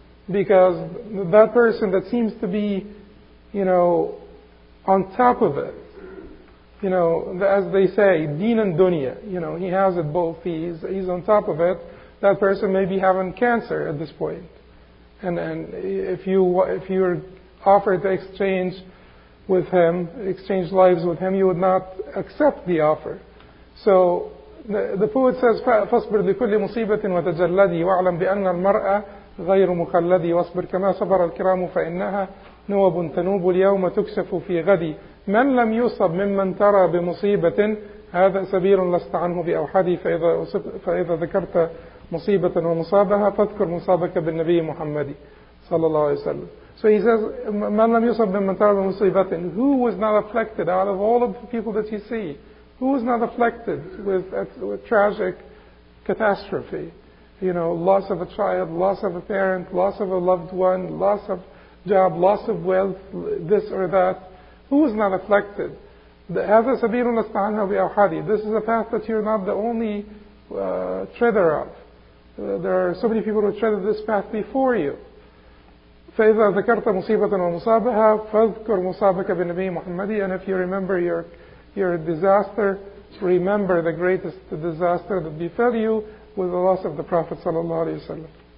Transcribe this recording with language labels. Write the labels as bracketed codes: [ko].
[en] Because that person that seems to be, you know, on top of it, you know, as they say, deen and dunya, you know, he has it both, he's on top of it, that person may be having cancer at this point. And if you're offered to exchange lives with him, you would not accept the offer. So the poet says, [ar] "فَاصْبِرْ لِكُلِّ مُصِيبَةٍ وَتَجَلَّدِي وَاعْلَمْ بِأَنَّ الْمَرْأَ غير مخلدي واصبر كما صبر الكرام فإنها نوب تنوب اليوم تكسف في غدي. من لم يصب ممن ترى بمصيبة هذا سبيل لست عنه بأوحدي. فإذا ذكرت مصيبة ومصابها فاذكر مصابك بالنبي محمد صلى الله عليه وسلم. [en] So he says, [ar] من لم يصب ممن ترى بمصيبة. [en] Who was not afflicted out of all of the people that you see? Who was not afflicted with tragic catastrophe? You know, loss of a child, loss of a parent, loss of a loved one, loss of job, loss of wealth, this or that. Who is not afflicted? [ar] هذا سبيل نستعنه بأوحادي. [en] This is a path that you're not the only treader of. There are so many people who treaded this path before you. [ar] فإذا ذكرت مصيبة ومصابها فاذكر مصابك بالنبي محمد. [en] And if you remember your disaster, remember the greatest disaster that befell you with the loss of the Prophet صلى الله عليه وسلم.